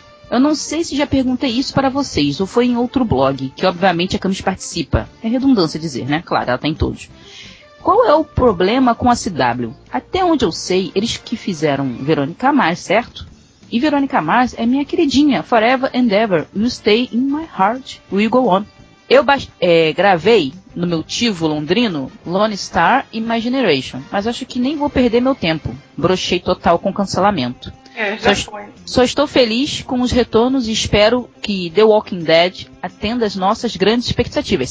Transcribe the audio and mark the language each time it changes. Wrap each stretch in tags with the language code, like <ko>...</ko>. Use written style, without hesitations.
<pt>Eu não sei se já perguntei isso para vocês ou foi em outro blog, que obviamente a Camis participa. É redundância dizer, né? Claro, ela está em todos. Qual é o problema com a CW? Até onde eu sei, eles que fizeram Verônica Mars, certo? E Verônica Mars é minha queridinha.</pt> <en>Forever and ever, you stay in my heart, we go on.</en> <pt>Eu gravei no meu tivo londrino Lone Star e My Generation, mas acho que nem vou perder meu tempo. Brochei total com cancelamento. Só estou feliz com os retornos e espero que The Walking Dead atenda as nossas grandes expectativas.</pt>